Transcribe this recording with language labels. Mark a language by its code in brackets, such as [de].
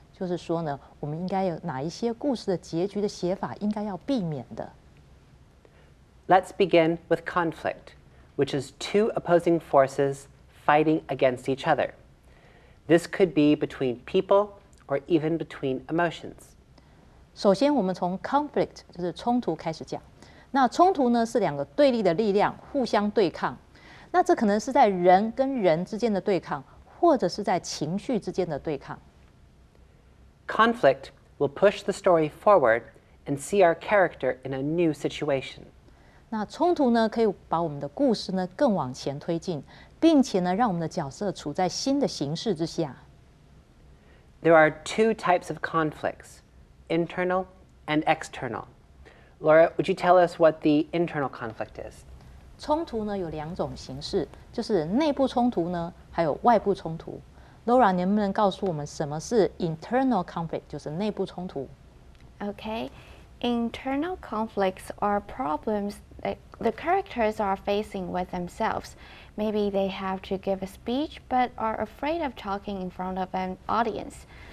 [zh] 就是说呢，我们应该有哪一些故事的结局的写法应该要避免的。 [en] Let's begin with conflict, which is two opposing forces fighting against each other. This could be between people or even between emotions. [zh] 首先我们从 conflict, 就是冲突开始讲。那冲突呢，是两个对立的力量互相对抗。那这可能是在人跟人之间的对抗，或者是在情绪之间的对抗。 [en] Conflict will push the story forward and see our character in a new situation. [zh] 那冲突呢，可以把我们的故事呢更往前推进，并且呢让我们的角色处在新的形式之下。 [en] There are two types of conflicts, internal and external. Laura, would you tell us what the internal conflict is? [zh] 冲突呢有两种形式，就是内部冲突呢，还有外部冲突。 Laura, 你能不能告诉我们什么是 [en] internal conflict, [zh] 就是内部冲突 [en] ？Okay, internal conflicts are problems that the characters are facing with themselves. Maybe they have to give a speech but are afraid of talking in front of an audience.